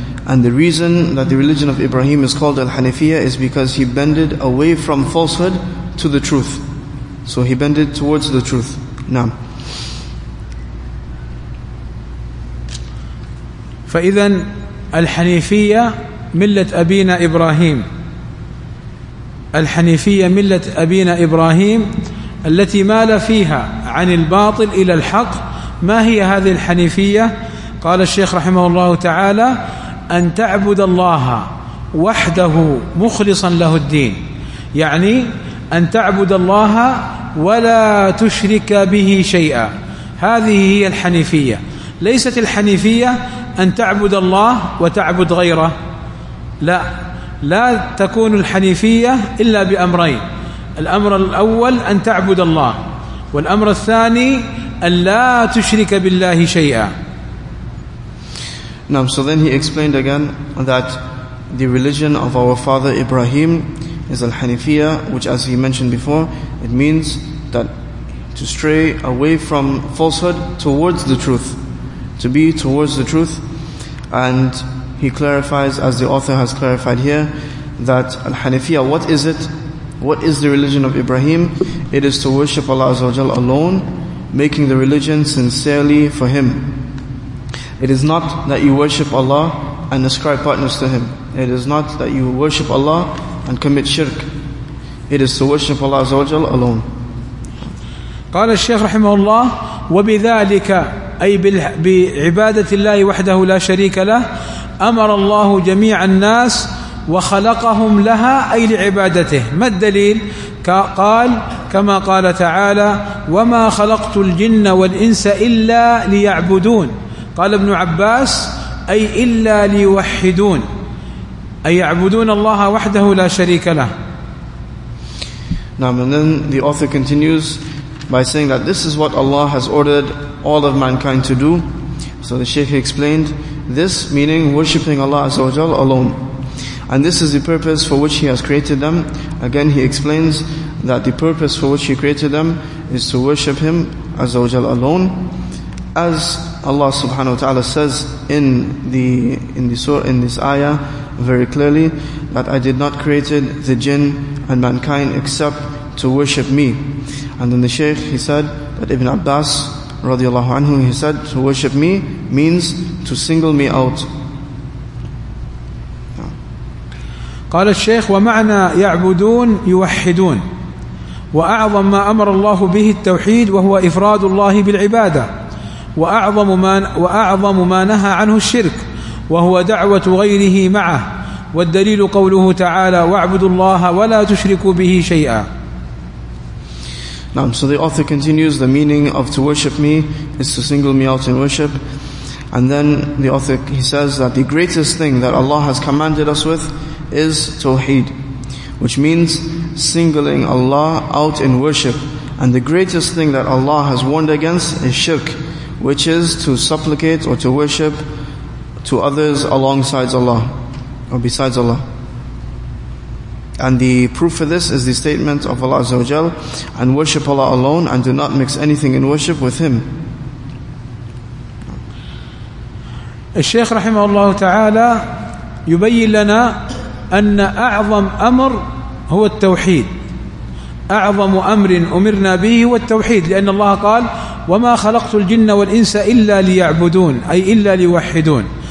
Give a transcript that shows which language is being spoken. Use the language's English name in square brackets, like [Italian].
[English] And the reason that the religion of Ibrahim is called Al-Hanifiyya is because he bended away from falsehood to the truth. So he bended towards the truth. [Arabic] Naam. فإذن الحنيفية ملة أبينا إبراهيم, الحنيفية ملة أبينا إبراهيم التي مال فيها عن الباطل إلى الحق. ما هي هذه الحنيفية؟ قال الشيخ رحمه الله تعالى: أن تعبد الله وحده مخلصا له الدين، يعني أن تعبد الله ولا تشرك به شيئا. هذه هي الحنيفية. ليست الحنيفية أن تعبد الله وتعبد غيره، لا، لا تكون الحنيفية إلا بأمرين: الأمر الأول أن تعبد الله، والأمر الثاني أن لا تشرك بالله شيئا. [English] Now, so then he explained again that the religion of our father Ibrahim is al-Hanifiyah, which, as he mentioned before, it means that to stray away from falsehood towards the truth, to be towards the truth. And he clarifies, as the author has clarified here, that al-Hanifiyah, what is it? What is the religion of Ibrahim? It is to worship Allah Azza wa Jal alone, making the religion sincerely for him. It is not that you worship Allah and ascribe partners to him. It is not that you worship Allah and commit shirk. It is to worship Allah Azza wa Jal alone. [Arabic] قال الشيخ رحمه الله: وبذلك أي بعبادة الله وحده لا شريك له أمر الله جميع الناس وخلقهم لها أي لعبادته. ما الدليل؟ قال: كما قال تعالى: وما خلقت الجن والإنس إلا ليعبدون. قال ابن عباس: أي إلا ليوحدون، أي يعبدون الله وحده لا شريك له. [English] Now, and then the author continues by saying that this is what Allah has ordered all of mankind to do. So the Shaykh explained this, meaning worshipping Allah Azza wa Jal alone. And this is the purpose for which He has created them. Again, he explains that the purpose for which He created them is to worship Him Azza wa Jal alone. As Allah subhanahu wa ta'ala says in this ayah very clearly, that I did not create the jinn and mankind except to worship me. And then the Shaykh, he said that Ibn Abbas radiallahu anhu, he said, to worship me means to single me out. [Arabic] قال الشيخ: ومعنى يعبدون يوحدون، وأعظم ما أمر الله به التوحيد وهو إفراد الله بالعبادة، وأعظم ما نهى عنه الشرك وهو دعوة غيره معه، والدليل قوله تعالى: واعبدوا الله ولا تشركوا به شيئا. نعم. [English] So the author continues: the meaning of to worship me is to single me out in worship. And then the author, he says that the greatest thing that Allah has commanded us with is Tawheed, which means singling Allah out in worship. And the greatest thing that Allah has warned against is Shirk, which is to supplicate or to worship to others alongside Allah or besides Allah. And the proof for this is the statement of Allah Azza wa Jal, and worship Allah alone and do not mix anything in worship with Him. [Arabic] الشيخ رحمه الله تعالى يبين لنا أن أعظم أمر هو التوحيد، أعظم أمر أمرنا به هو التوحيد، لأن الله قال: وما خلقت الجن والإنس إلا ليعبدون، أي إلا ليوحدون.